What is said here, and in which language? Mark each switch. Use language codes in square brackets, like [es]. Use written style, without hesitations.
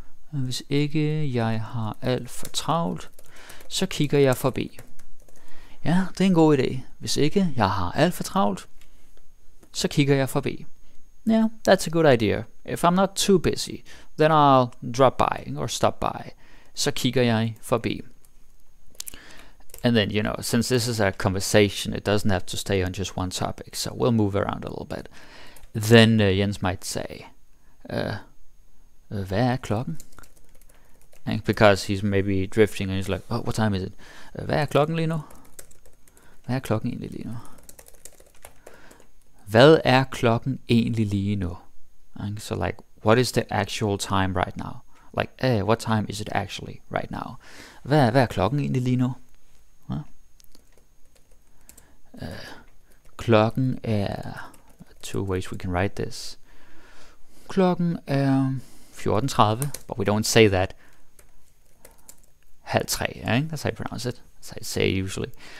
[da] Hvis ikke jeg har alt for travlt, så kigger jeg forbi. Ja, det er en god idé. Hvis ikke jeg har alt for travlt, så kigger jeg forbi. [en] Yeah, that's a good idea. If I'm not too busy, then I'll drop by or stop by. [da] Så kigger jeg forbi. [en] And then, you know, since this is a conversation, it doesn't have to stay on just one topic, so we'll move around a little bit. Then Jens might say, [da] hvad er klokken? [en] Because he's maybe drifting and he's like, oh, what time is it? [da] Hvad er klokken lige nu? Hvad er klokken egentlig lige nu? Hvad er klokken egentlig lige nu? [en] And so like, what is the actual time right now? Like, what time is it actually right now? [da] Hvad er klokken egentlig lige nu? Klokken er... [en] Two ways we can write this. [da] Klokken er 14:30, [en] but we don't say that. [da] Halv tre, [en] eh? That's how you pronounce it. That's how you say it usually.